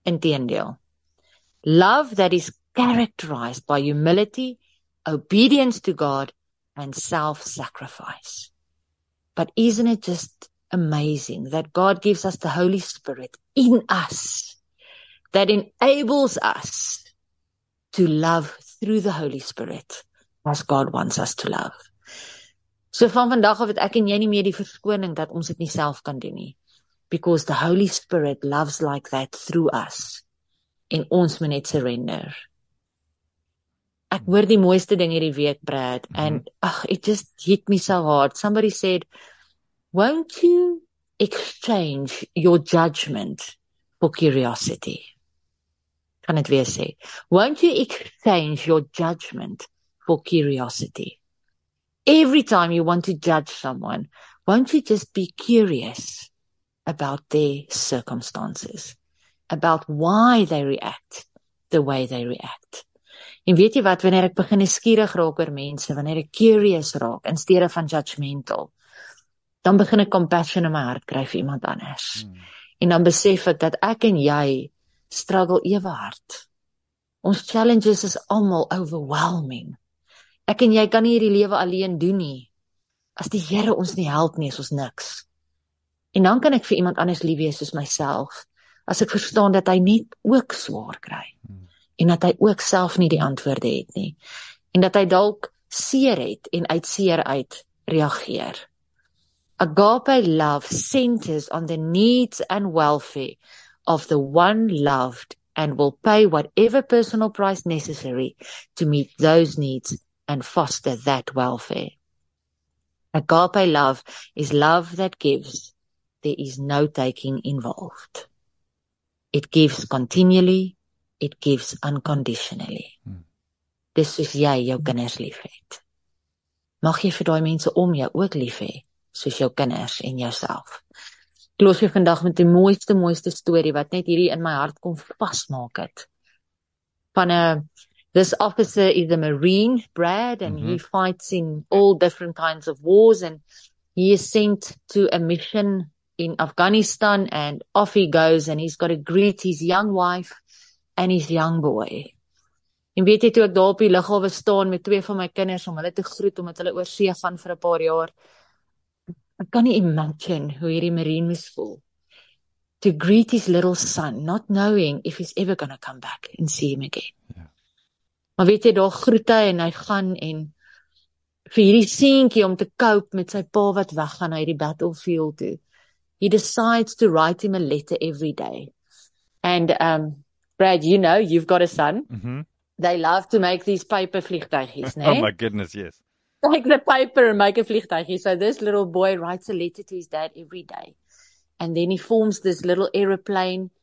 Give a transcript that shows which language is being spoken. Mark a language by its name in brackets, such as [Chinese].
[English] Inteendeel, love that is characterized by humility, obedience to God, and self-sacrifice. But isn't it just amazing that God gives us the Holy Spirit in us that enables us to love through the Holy Spirit as God wants us to love? [Afrikaans] So van vandag af het ek en jy nie meer die verskoning dat ons dit nie self kan doen nie. [English] Because the Holy Spirit loves like that through us. [Afrikaans] En ons moet net surrender. Ek hoor die mooiste ding hierdie week, Brad. [English] And it just hit me so hard. Somebody said, won't you exchange your judgment for curiosity? [Afrikaans] Kan het weer sê. [English] Won't you exchange your judgment for curiosity? Every time you want to judge someone, won't you just be curious about their circumstances, about why they react the way they react? [Afrikaans] En weet jy wat, wanneer ek begin nieuwsgierig raak oor mense, wanneer ek curious raak, in steede van judgmental, dan begin ek compassion in my hart kry vir iemand anders. En dan besef ek dat ek en jy struggle ewe hard. Ons challenges is almal overwhelming. Ek en jy kan nie hierdie lewe alleen doen nie. As die Here ons nie help nie, is ons niks. En dan kan ek vir iemand anders lief wees soos myself, as ek verstaan dat hy nie ook swaar kry, en dat hy ook self nie die antwoorde het nie, en dat hy dalk seer het en uit seer uit reageer. [English] Agape love centers on the needs and welfare of the one loved and will pay whatever personal price necessary to meet those needs and foster that welfare. Agape love is love that gives. There is no taking involved. It gives continually. It gives unconditionally. [Afrikaans] Dis soos jy jou kinders lief het. Mag jy vir daai mense om jou ook lief hê, soos jou kinders en jouself. Ek los jou vandag met die mooiste storie wat net hierdie in my hart kom vasmaak het. Van 'n [English] This officer is a Marine, Brad, and he fights in all different kinds of wars, and he is sent to a mission in Afghanistan, and off he goes, and he's got to greet his young wife and his young boy. [Afrikaans] En weet jy, toe ek daar op die lughawe staan met twee van my kinders om hulle te groet, omdat hulle oor see gaan vir 'n paar jaar, ek kan nie imagine hoe hierdie Marine moes voel. [English] To greet his little son, not knowing if he's ever going to come back and see him again. [Afrikaans] Maar weet jy, daar groet hy en hy gaan en vir hierdie seentjie om te cope met sy pa wat weggaan uit die battlefield toe. [English] He decides to write him a letter every day. And Brad, you know, you've got a son. They love to make these paper vliegtuigies, né? Oh my goodness, yes. Like the paper and make a vliegtuigie. So this little boy writes a letter to his dad every day. And then he forms this little aeroplane.